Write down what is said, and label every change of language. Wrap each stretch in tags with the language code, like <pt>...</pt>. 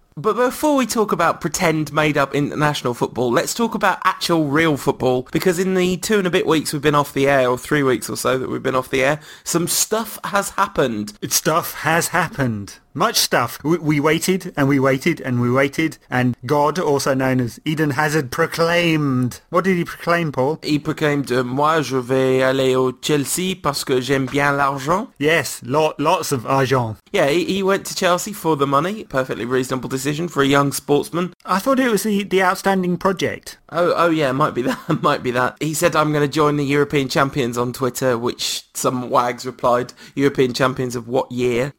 <en>But before we talk about pretend made-up international football, let's talk about actual real football, because in the 2 and a bit weeks we've been off the air, or 3 weeks or so that we've been off the air, some stuff has happened. Stuff has happened. Much stuff. We waited, and we waited, and we waited, and God, also known as Eden Hazard, proclaimed. What did he proclaim, Paul? He proclaimed,</en> <fr>moi je vais aller au Chelsea parce que j'aime bien l'argent.</fr> <en>Yes, lots of argent. Yeah, he went to Chelsea for the money. Perfectly reasonable decision for a young sportsman. I thought it was the outstanding project. Oh yeah, might be that. He said, I'm going to join the European champions on Twitter, which some wags replied, European champions of what year?</en>